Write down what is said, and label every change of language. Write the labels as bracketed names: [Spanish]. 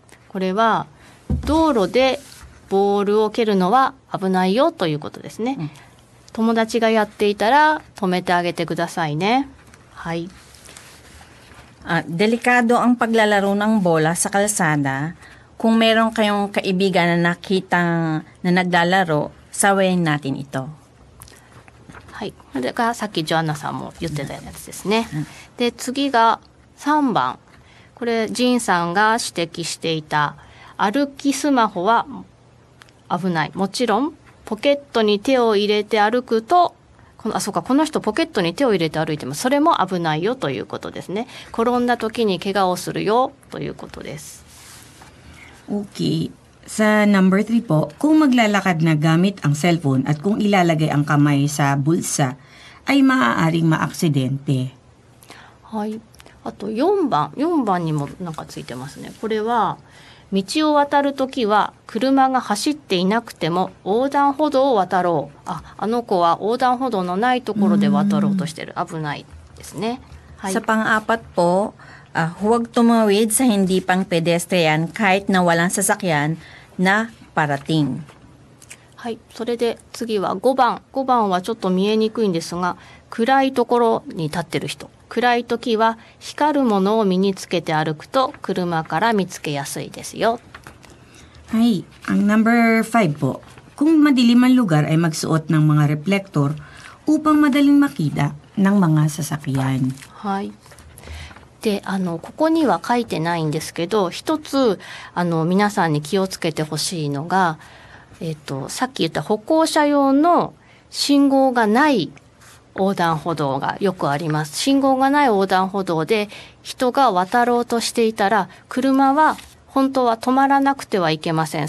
[Japanese] これは道路でボールを蹴るのは危ないよということですね。うん、友達がやっていたら止めてあげてくださいね。はい。 [Filipino] Delikado ang paglalaro ng bola sa kalsada. Kung meron kayong kaibigan na nakitang na naglalaro, sawayin natin ito. [Japanese] はい、これがさっきジョアンナさんも言ってたやつですね。で、次が3番。これジンさんが指摘していた、歩きスマホは危ない。もちろんポケットに手を入れて歩くと、この人ポケットに手を入れて歩いてもそれも危ないよということですね。転んだ時に怪我をするよということです。 [English] Okay. [Filipino] Sa number 3 po, kung maglalakad na gamit ang cellphone at kung ilalagay ang kamay sa bulsa, ay maaaring maaksidente. Hay. [Japanese] Ato 4番にもなんかついてますね。これは道を渡るときは車が走っていなくても横断歩道を渡ろう。あの子は横断歩道のないところで渡ろうとしてる。危ないですね。はい。 [Filipino] Sa pang-apat po,huwag tumawid sa hindi pang pedestrian kahit na walang sasakyan na parating. [Japanese] はい、それで次は5番はちょっと見えにくいんですが、暗いところに立ってる人、暗い時は光るものを身につけて歩くと車から見つけやすいですよ。 [Filipino] はい、number 5po. Kung madilim ang lugar ay magsuot ng mga reflector upang madaling makita ng mga sasakyan. [Japanese] はい。で、ここには書いてないんですけど、一つ皆さんに気をつけてほしいのが、さっき言った歩行者用の信号がない横断歩道がよくあります。信号がない横断歩道で人が渡ろうとしていたら、車は本当は止まらなくてはいけません。